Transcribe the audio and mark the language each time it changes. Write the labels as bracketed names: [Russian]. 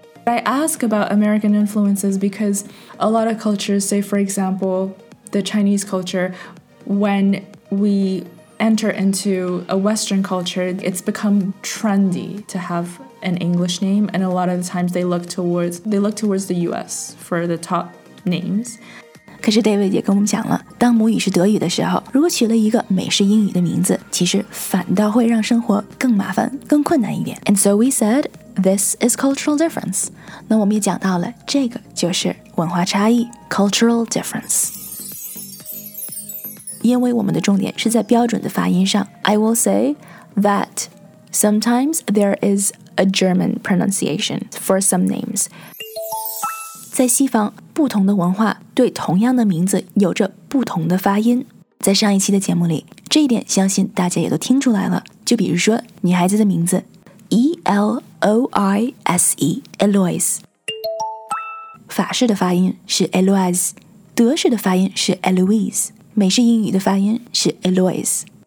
[English] I ask about American influences because a lot of cultures, say for example the Chinese culture, when we enter into a Western culture, it's become trendy to have an English name, and a lot of the times they look towards the US for the top names。 [Chinese] 可是 David 也跟我们讲了，当母语是德语的时候，如果取了一个美式英语的名字，其实反倒会让生活更麻烦、更困难一点。 [English] And so we said, this is cultural difference. [Chinese] 那我们也讲到了，这个就是文化差异， [English] cultural difference。 [Chinese] 因为我们的重点是在标准的发音上， [English] I will say that sometimes there is a German pronunciation for some names. [Chinese] 在西方，不同的文化对同样的名字有着不同的发音。在上一期的节目里，这一点相信大家也都听出来了。就比如说女孩子的名字 ，Eloise， Eloise， 法式的发音是 Eloise， 德式的发音是 Eloise， 美式英语的发音是 Eloise。